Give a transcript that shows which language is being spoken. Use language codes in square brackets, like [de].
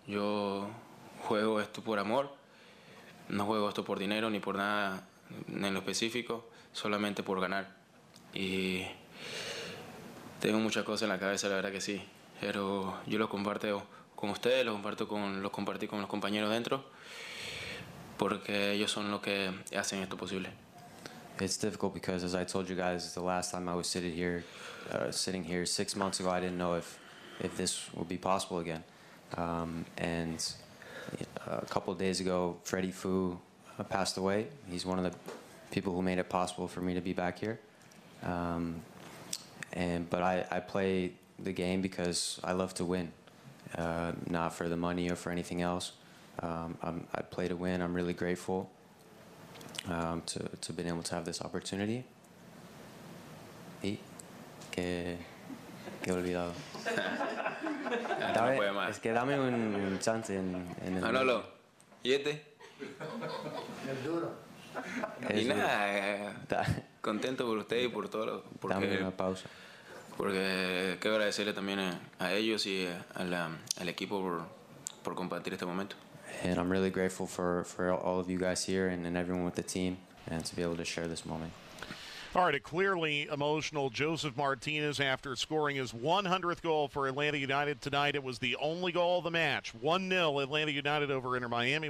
[es] Yo juego esto por amor. No juego esto por dinero ni por nada en lo específico. Solamente por ganar. Y tengo muchas cosas en la cabeza, la verdad que sí. Pero yo lo comparto con ustedes, lo compartí con los compañeros dentro, porque ellos son los que hacen esto posible. [en] It's difficult because, as I told you guys the last time I was sitting here 6 months ago, I didn't know if this would be possible again. And a couple of days ago, Freddie Fu passed away. He's one of the people who made it possible for me to be back here. But I play the game because I love to win. Not for the money or for anything else. I play to win. I'm really grateful to been able to have this opportunity. [es] Y que olvidado. Dame, no puede más. Es que dame un chance en el. Manolo, ¿y este? Es duro. Y nada, contento por usted y por todo. Dame una pausa. Porque quiero agradecerle también a ellos y al equipo por compartir este momento. [en] And I'm really grateful for all of you guys here and everyone with the team and to be able to share this moment. All right, a clearly emotional Joseph Martinez after scoring his 100th goal for Atlanta United tonight. It was the only goal of the match. 1-0 Atlanta United over Inter Miami.